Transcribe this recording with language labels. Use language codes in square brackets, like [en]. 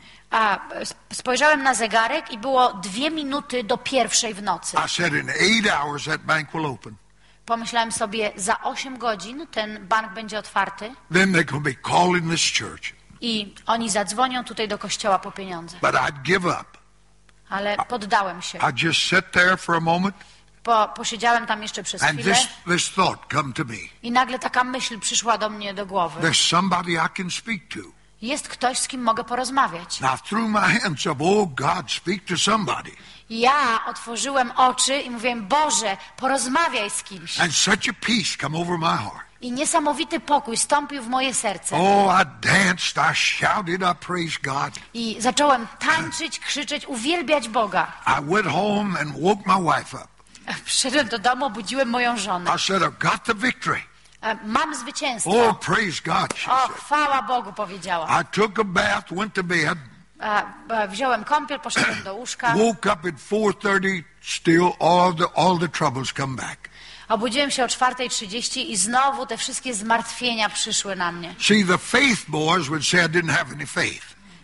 [pl] A spojrzałem na zegarek i było 2 minuty do 1:00 w nocy. [en] I said in 8 hours that bank will open. [pl] Pomyślałem sobie, za 8 godzin ten bank będzie otwarty. [en] Then they're gonna be calling this church. [pl] I oni zadzwonią tutaj do kościoła po pieniądze. [en] But I'd give up. [pl] Ale poddałem się. [en] I just sat there for a moment. [pl] Posiedziałem tam jeszcze przez [en] and [pl] chwilę. [en] This thought come to me. [pl] I nagle taka myśl przyszła do mnie do głowy. [en] There's somebody I can speak to. [pl] Jest ktoś, z kim mogę porozmawiać. [en] Now through my hands of, oh God, speak to somebody. [pl] Ja otworzyłem oczy i mówiłem, Boże, porozmawiaj z kimś. [en] And such a peace come over my heart. [pl] I niesamowity pokój stąpił w moje serce. [en] Oh, I danced, I shouted, I praised God. [pl] I zacząłem tańczyć, krzyczeć, uwielbiać Boga. [en] I went home and woke my wife up. [pl] Wszedłem do domu, obudziłem moją żonę. [en] I said, I got the victory. [pl] Mam zwycięstwo. [en] Oh, praise God, she said. [pl] Chwała Bogu, powiedziała. [en] I took a bath, went to bed. [pl] Wziąłem kąpiel, poszedłem do łóżka. [en] Woke up at 4:30, still all the troubles come back. [pl] Obudziłem się o 4:30 i znowu te wszystkie zmartwienia przyszły na mnie. [en] See, the faith boys would say I didn't have any faith.